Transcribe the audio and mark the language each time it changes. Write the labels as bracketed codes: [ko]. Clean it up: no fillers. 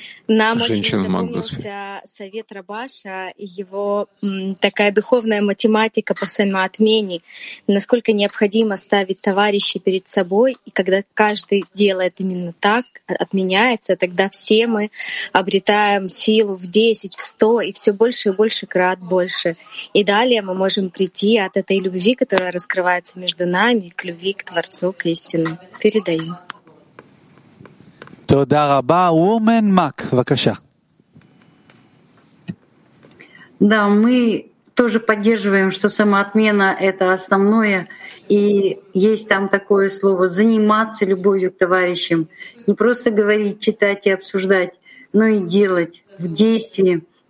[ru] Нам женщина очень запомнился совет Рабаша и его такая духовная математика по самоотмене, насколько необходимо ставить товарищей перед собой, и когда каждый делает именно так, отменяется, тогда все мы обретаем силу в 10, в 100, и все больше и больше крат больше. И далее мы можем прийти от этой любви, которая раскрывается между нами, к любви к Творцу, к истине. Передаю. [he] תודה רבה, Woman Mac, בבקשה. [ru] Да, мы тоже поддерживаем, что самоотмена — это основное. И есть там такое слово — заниматься любовью к товарищам. Не просто говорить, читать и обсуждать, но и делать в действии.